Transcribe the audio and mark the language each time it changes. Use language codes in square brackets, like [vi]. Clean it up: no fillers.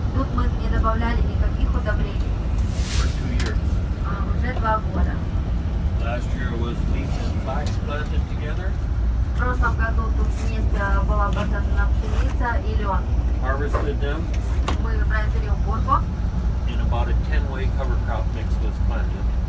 [ru] Тут мы не добавляли никаких удобрений. [en] For 2 years. [ru] Уже 2 года. [en] Last year was wheat and flax planted together. [ru] В прошлом году тут вместе была посажена пшеница и лен. [en] Harvested them. [ru] Мы произвели уборку. [en] In about a 10-way cover crop mix was planted.